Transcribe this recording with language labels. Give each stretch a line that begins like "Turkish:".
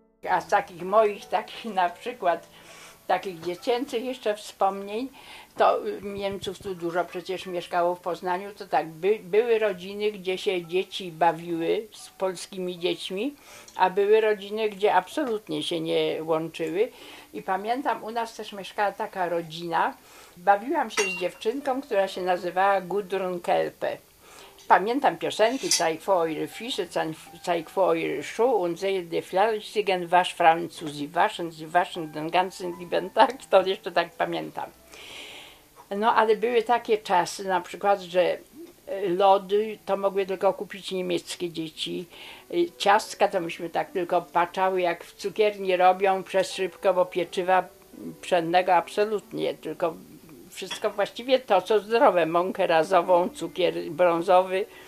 Polish: A z takich moich, takich na przykład, takich dziecięcych jeszcze wspomnień, to Niemców tu dużo przecież mieszkało w Poznaniu, to tak, były rodziny, gdzie się dzieci bawiły z polskimi dziećmi, a były rodziny, gdzie absolutnie się nie łączyły. I pamiętam, u nas też mieszkała taka rodzina, bawiłam się z dziewczynką, która się nazywała Gudrun Kelpe. Pamiętam piosenki
German: Zeig vor eure Füße, Zeig vor eure Schuhe und sehe die fleißigen Waschfrauen zu sie waschen den ganzen lieben Tag,
Polish: to jeszcze tak pamiętam. No ale były takie czasy, na przykład, że lody to mogły tylko kupić niemieckie dzieci, ciastka to myśmy tak tylko patrzały, jak w cukierni robią przez szybkę, bo pieczywa pszennego absolutnie, tylko wszystko właściwie to, co zdrowe, mąkę razową, cukier brązowy.